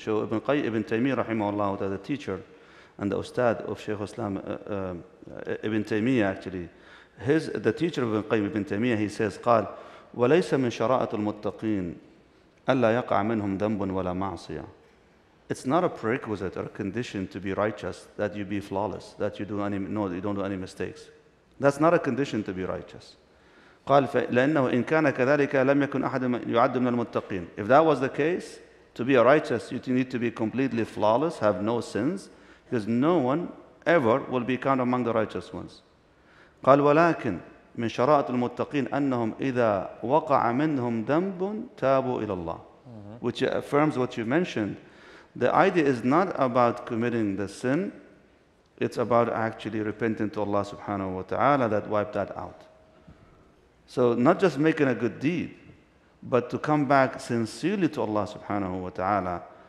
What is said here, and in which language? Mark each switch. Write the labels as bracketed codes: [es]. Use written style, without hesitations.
[en] So Ibn Taymiyyah rahimahullah, the teacher and the ustad of Shaykh Islam, Ibn Taymiyyah actually, the teacher of Ibn Qayyim Ibn Taymiyyah, he says, [ar] قال وليس من شرائط المتقين ألا يقع منهم ذنب ولا معصية. [en] It's not a prerequisite or a condition to be righteous that you be flawless, that you do any, no, you don't do any mistakes. That's not a condition to be righteous. [ar] قال لأنه إن كان كذلك لم يكن أحد يعد من المتقين. [en] If that was the case, to be a righteous, you need to be completely flawless, have no sins, because no one ever will be counted among the righteous ones. [ar] قال ولكن من شرائط المتقين أنهم إذا وقع منهم ذنب تابوا إلى الله. [en] Which affirms what you mentioned. The idea is not about committing the sin. It's about actually repenting to Allah subhanahu wa ta'ala that wiped that out. So not just making a good deed, but to come back sincerely to Allah subhanahu wa ta'ala.